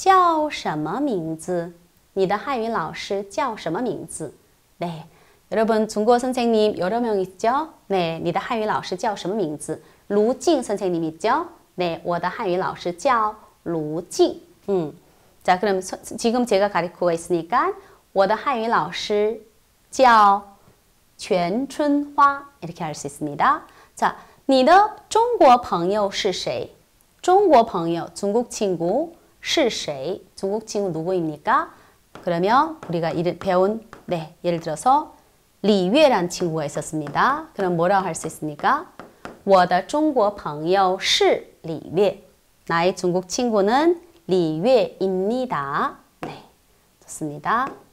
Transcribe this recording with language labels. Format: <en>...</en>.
<zh>你的汉语老师叫什么名字?你的汉语老师叫什么名字?</zh> <ko>네. 여러분, 중국어 선생님 여러 명 있죠? 네.</ko> <zh>你的汉语老师叫什么名字?</zh> <ko>루징 선생님 있죠? 네.</ko> <zh>我的汉语老师叫卢静.</zh> <ko>자, 그럼 지금 제가 가르치고 있으니까</ko> <zh>我的汉语老师叫全春花.</zh> <ko>이렇게 할 수 있습니다. 자,</ko> <zh>你的中国朋友是谁? 中国朋友,</zh> <ko>중국 친구,</ko> <zh>是谁?</zh> <ko>중국 친구 누구입니까? 그러면 우리가 배운, 네, 예를 들어서 리외란 친구가 있었습니다. 그럼 뭐라고 할 수 있습니까?</ko> <zh>我的中国朋友是李月.</zh> <ko>나의 중국 친구는 李月입니다. 네, 좋습니다.</ko>